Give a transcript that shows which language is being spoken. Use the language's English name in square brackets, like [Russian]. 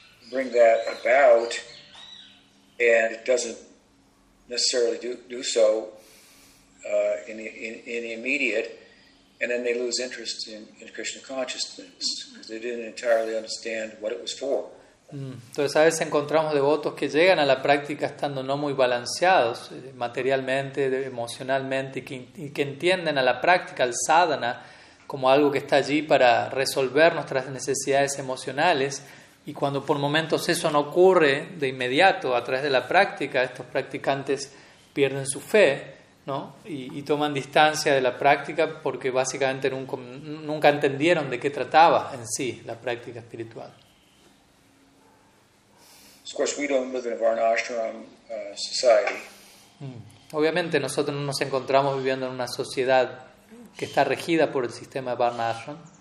[English] bring that about, and it doesn't necessarily do so in the immediate, and then they lose interest in Krishna consciousness because they didn't entirely understand what it was for. [Spanish] Entonces a veces encontramos devotos que llegan a la práctica estando no muy balanceados materialmente, emocionalmente, y que entienden a la práctica, al sadhana, como algo que está allí para resolver nuestras necesidades emocionales, y cuando por momentos eso no ocurre de inmediato a través de la práctica, estos practicantes pierden su fe, ¿no? Y toman distancia de la práctica porque básicamente nunca entendieron de qué trataba en sí la práctica espiritual. [English] Of course, we don't live in a Varnashram society. [Spanish] Obviamente, nosotros no nos encontramos viviendo en una sociedad que está regida por el sistema de Varnashram.